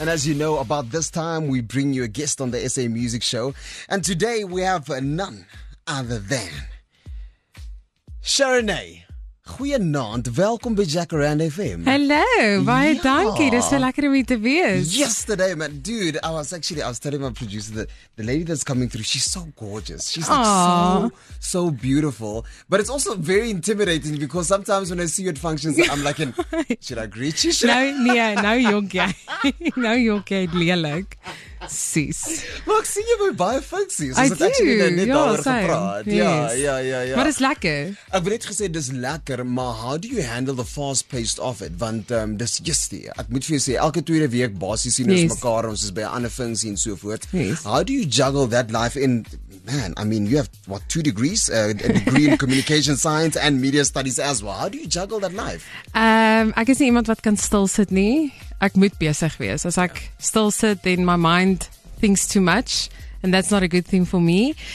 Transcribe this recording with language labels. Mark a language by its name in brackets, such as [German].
[English] And as you know, about this time, we bring you a guest on the SA Music Show. And today we have none other than Sharonay. [Afrikaans] Goeienaand, welkom bij Jacaranda FM. Hello, baie dankie. Dit is so lekker om hier te wees. [English] Yesterday, man. Dude, I was telling my producer that the lady that's coming through, she's so gorgeous. She's like so beautiful. But it's also very intimidating because sometimes when I see you at functions, I'm like, should I greet you? [Afrikaans] Nou, jonkie, lelik. Sis. Maar ek sien jy by baie funksies. [English] I do. Actually [Afrikaans] net daaroor gepraat. [English] Yes. [Afrikaans] Ja. Maar dis lekker. Ek het net gesê dis lekker, maar [English] how do you handle the fast paced of it? [Afrikaans] Want dis just die. Ek moet vir jou sê, elke tweede week basies sien ons mekaar, ons is by 'n ander funksie en so voort. [English] Yes. How do you juggle that life in, man, I mean, you have, what, 2 degrees? A degree in communication science and media studies as well. How do you juggle that life? [Afrikaans] Ek is nie iemand wat kan stil sit nie. Ek moet besig wees. As ek stil sit, [English] then my mind thinks too much. And that's not a good thing for me.